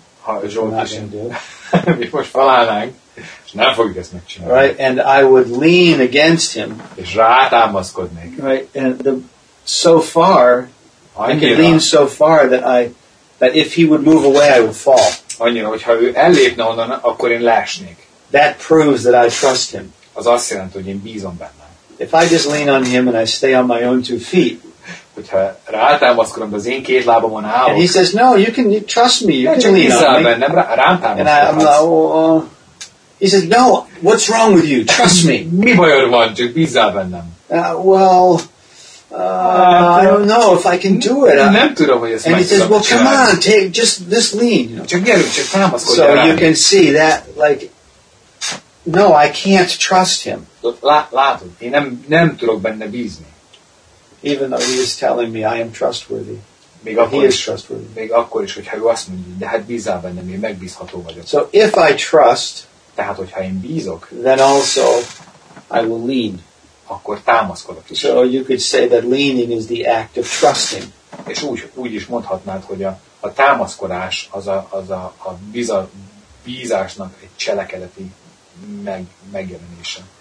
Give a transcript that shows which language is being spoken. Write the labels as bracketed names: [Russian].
[Hungarian] ha Zsolti is én, mi most felállnánk, és nem fogjuk ezt megcsinálni. [English] Right, and I would lean against him. [Hungarian] És rátámaszkodnék. [English] Right, and I could lean so far that if he would move away, I would fall. [Hungarian] Annyira, hogyha ő ellépne onnan, akkor én leesnék. [English] That proves that I trust him. [Hungarian] Az azt jelenti, hogy én bízom benne. [English] If I just lean on him and I stay on my own two feet, [Hungarian] hogyha rátámaszkodom, az én két lábamon állok. [English] And he says, no, you trust me, you can lean on me. [Hungarian] Nem, bennem, rám támaszkodsz. [English] And I'm like, he says, no, what's wrong with you? Trust me. [Hungarian] Mi bajod van, csak bízzál bennem. [English] I don't know if I can do it. [Hungarian] Nem tudom, hogy ezt [English] and he says, well, come on, take just lean. [Hungarian] Csak gyerünk, csak támaszkodj. [English] So you can see that, like, no, I can't trust him. [Hungarian] Látod, én nem tudok benne bízni. [English] Even though he is telling me I am trustworthy. [Hungarian] Még akkor [English] he is trustworthy. [Hungarian] Még akkor is, hogyha ő azt mondja, de hát bízál bennem, én megbízható vagyok. [English] So if I trust, [Hungarian] tehát hogyha én bízok, [English] then also I will lean. [Hungarian] Akkor támaszkodok is. [English] So you could say that leaning is the act of trusting. [Hungarian] És úgy is mondhatnád, hogy a támaszkodás az a bízásnak egy cselekedeti megjelenése.